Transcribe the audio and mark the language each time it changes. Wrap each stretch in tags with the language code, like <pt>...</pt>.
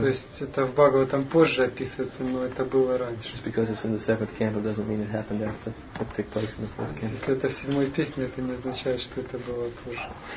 <ru>То есть это в Бхагаватам позже описывается, но это было раньше.</ru> <en>Just because it's in the seventh canto doesn't mean it happened after it took place in the fourth canto.</en> <ru>Если это в седьмой песне, это не означает, что это было позже.</ru>